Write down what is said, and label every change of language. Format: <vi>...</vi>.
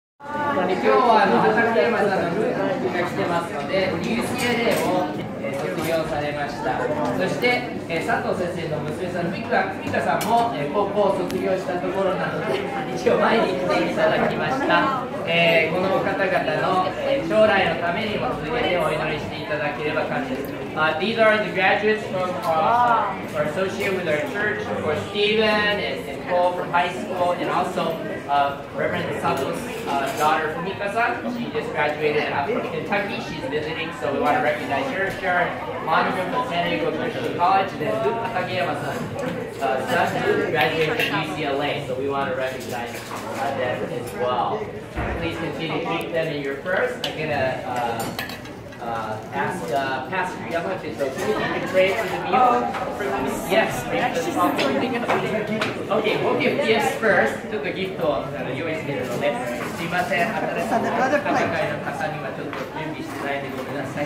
<ja>今日は朝のテーマさんが来てますので UCLA を卒業されました。そして佐藤先生の娘さんの美香さんも高校を卒業したところなので一応前に来ていただきました。この方々の将来のためにも続けてお祈りしていただければ感謝します。</ja> <en>These are the graduates from our associate with our church for Stephen and Paul from high school and alsoReverend Sato's daughter Fumika-san. She just graduated out from Kentucky. She's visiting, so we want to recognize her. She's our monument from San Diego Christian College. And then Luke Takayama-san, graduated from UCLA, so we want to recognize them as well. Please continue to keep them in your prayers. I'm going to ask Pastor Yama to go to you and pray for the meal. Yes, okay, we'll give gifts first.</en> <ja>ちょっとギフトを用意しているので、すいません、新しい方々の方にはちょっと準備してないでごめんなさい。</ja>